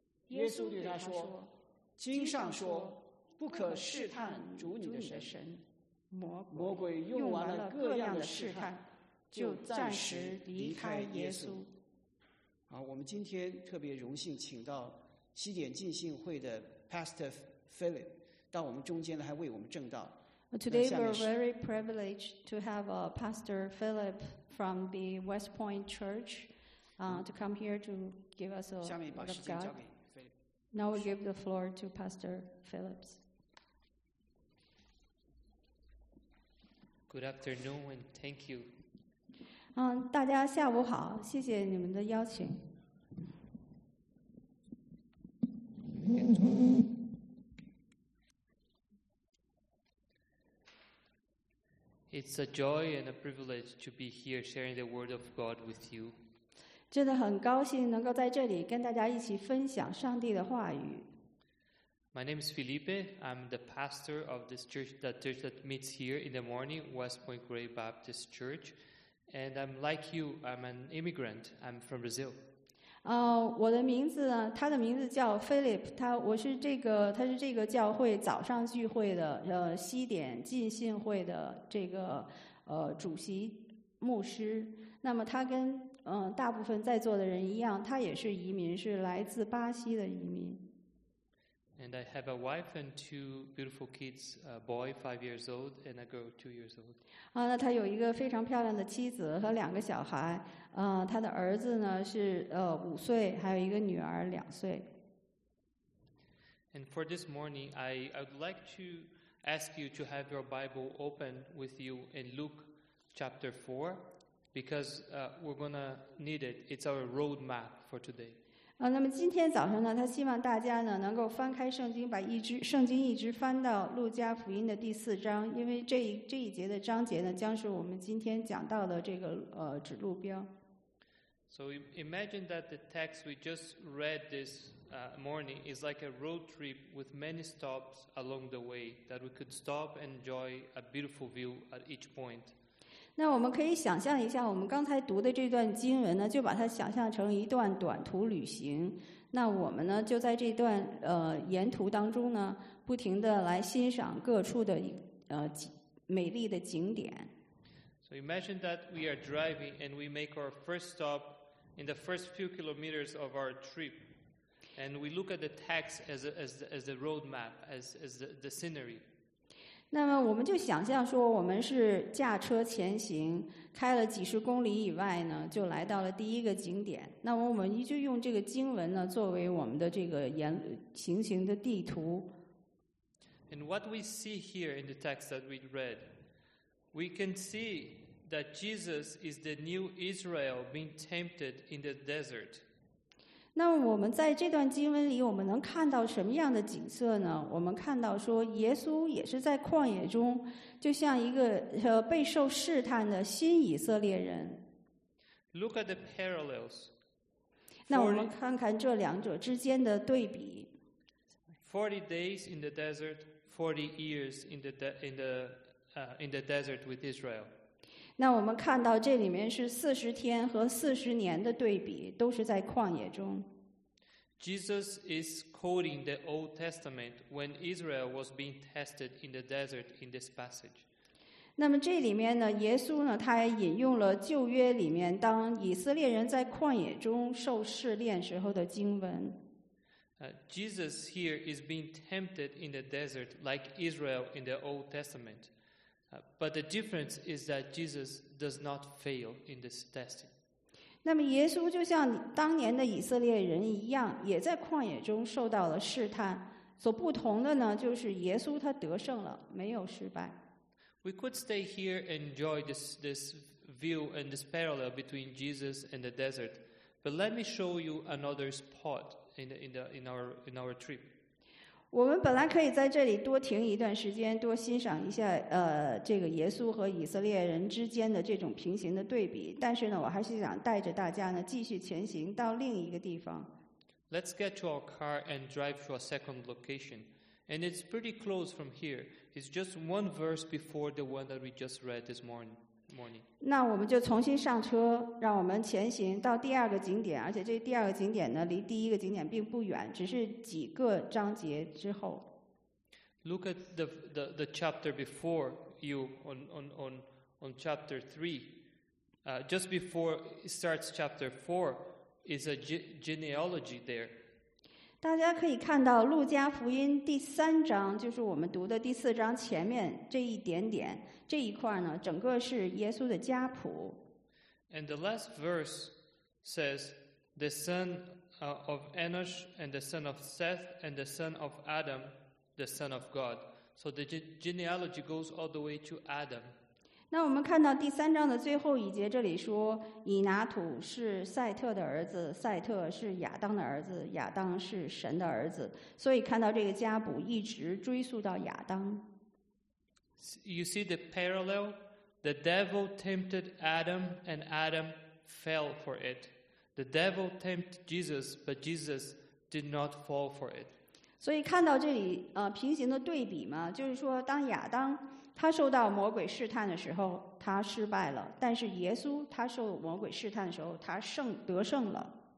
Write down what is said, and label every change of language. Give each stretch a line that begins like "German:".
Chinese: 耶稣对他说，经上说，不可试探主你的神。魔鬼用完了各样的试探，就暂时离开耶稣。好，我们今天特别荣幸请到西点浸信会的 Pastor Philip 到我们中间来，还为我们证道。
English: Today we're very privileged to have a Pastor Philip from the West Point Churchto come here to give us a word of God. Now we give the floor to Pastor Phillips. Good afternoon and thank you.
Chinese: 大家下午好，谢谢你们的邀请。
English: It's a joy and a privilege to be here sharing the word of God with you.
Chinese: 真的很高兴能够在这里跟大家一起分享上帝的话语。
English: My name is Felipe. I'm the pastor of this church, the church that meets here in the morning, West Point Grey Baptist Church. And I'm like you, I'm an immigrant. I'm from Brazil.
Chinese: 我的名字呢，他的名字叫 Philip. 他是这个教会早上聚会的，西点浸信会的这个主席牧师。那么他跟大部分在座的人一样，他也是移民，是来自巴西的移民。
English: And I have a wife and two beautiful kids, a boy 5 years old and a girl 2 years old.
Chinese: 那他有一个非常漂亮的妻子和两个小孩，他的儿子呢是5岁，还有一个女儿2岁。
English: And for this morning, I would like to ask you to have your Bible open with you in Luke chapter 4. Because we're gonna need it. It's our roadmap for today.
Chinese: 那么今天早上呢，他希望大家呢能够翻开圣经，把圣经一直翻到路加福音的第四章，因为这一节的章节呢，将是我们今天讲到的这个指路标。
English: So imagine that the text we just read this morning is like a road trip with many stops along the way that we could stop and enjoy a beautiful view at each point.
Chinese: 那我们可以想象一下，我们刚才读的这段经文呢，就把它想象成一段短途旅行。那我们呢，就在这段沿途当中呢，不停地来欣赏各处的美丽的景点。
English: So imagine that we are driving and we make our first stop in the first few kilometers of our trip, and we look at the text as the road map, as the scenery.
Chinese: 那么我们就想象说我们是驾车前行，开了几十公里以外呢，就来到了第一个景点。那么我们就用这个经文呢作为我们的这个沿行行的地图。
English: And what we see here in the text that we read, we can see that Jesus is the new Israel being tempted in the desert.
Chinese: 那我们在这段经文里，我们能看到什么样的景色呢？我们看到说，耶稣也是在旷野中，就像一个备受试探的新以色列人。
English: Look at the parallels.
Chinese: 那我们看看这两者之间的对比。
English: 40 days in the desert. 40 years in the desert with Israel.
Chinese: 那我们看到这里面是40天和40年的对比，都是在旷野中。
English: Jesus is quoting the Old Testament when Israel was being tested in the desert in this passage.
Chinese: 那么这里面呢，耶稣呢，他也引用了旧约里面当以色列人在旷野中受试炼时候的经文。
English: Jesus here is being tempted in the desert like Israel in the Old Testament. But the difference is that Jesus does not fail in this testing.
Chinese: 那么耶稣就像当年的以色列人一样，也在旷野中受到了试探。所不同的呢，就是耶稣他得胜了，没有失败。
English: We could stay here and enjoy this view and this parallel between Jesus and the desert. But let me show you another spot. In our trip,
Chinese: 我们本来可以在这里多停一段时间，多欣赏一下这个耶稣和以色列人之间的这种平行的对比。但是呢，我还是想带着大家呢继续前行到另一个地方。
English: Let's get to our car and drive to a second location, and it's pretty close from here. It's just one verse before the one that we just read this morning.
Chinese: 那我们就重新上车，让我们前行到第二个景点，而且这第二个景点呢，离第一个景点并不远，只是几个章节之后。
English: Look at the chapter before you on chapter 3. Just before it starts chapter 4 is a genealogy there.
Chinese: 大家可以看到路加福音第三章，就是我们读的第四章前面这一点点。这一块呢，整个是耶稣的家谱。
English: And the last verse says, the son of Enosh and the son of Seth and the son of Adam, the son of God. So the genealogy goes all the way to Adam.
Chinese: 那我们看到第三章的最后一节，这里说以拿土是赛特的儿子，赛特是亚当的儿子，亚当是神的儿子。所以看到这个家谱一直追溯到亚当。
English: You see the parallel? The devil tempted Adam, and Adam fell for it. The devil tempted Jesus, but Jesus did not fall for it.
Chinese: 所以看到这里，平行的对比嘛，就是说，当亚当他受到魔鬼试探的时候，他失败了；但是耶稣他受魔鬼试探的时候，他得胜了。